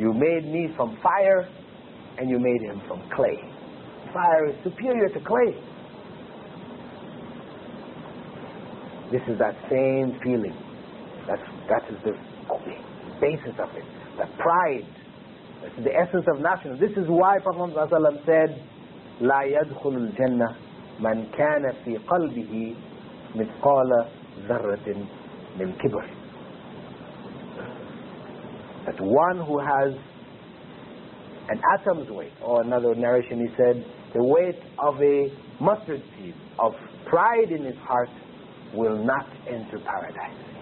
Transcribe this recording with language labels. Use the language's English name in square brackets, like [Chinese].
[English] You made me from fire and you made him from clay. Fire is superior to clay. This is that same feeling. That is the basis of it. The pride. That is the essence of nationalism. This is why Prophet ﷺ said, [Arabic] لَا يَدْخُلُ الْجَنَّةِ مَنْ كَانَ فِي قَلْبِهِ مِثْقَالَ ذَرَّةٍ مِنْ كِبْرٍ. [English] That one who has an atom's weight, or another narration he said, the weight of a mustard seed, of pride in his heart, will not enter paradise.